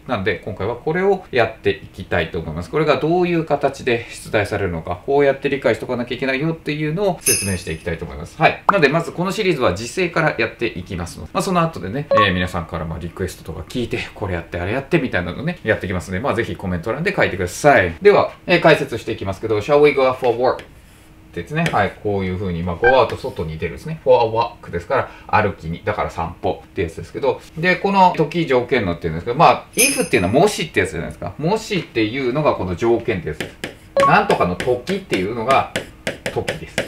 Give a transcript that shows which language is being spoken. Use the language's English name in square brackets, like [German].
[Japanese] なんで、今回はこれをやっていきたいと思います。これがどういう形で出題されるのか、こうやって理解しとかなきゃいけないよっていうのを説明していきたいと思います。はい、なのでまずこのシリーズは時制からやっていきますので、まあ、その後でね、皆さんからまあリクエストとか聞いて、これやってあれやってみたいなのねやってきますので、まあぜひコメント欄で書いてください。では、解説していきますけど、 [English] Shall we go out for a walk? [Japanese] ですね。はい、こういう風に、まあ、 [English] go out [Japanese] 外に出るですね。 [English] for a walk [Japanese] ですから、歩きに、だから散歩ってやつですけど、でこの時条件のっていうんですけど、まあ if っていうのはもしってやつじゃないですか。もしっていうのがこの条件ってやつです。なんとかの時っていうのが時です。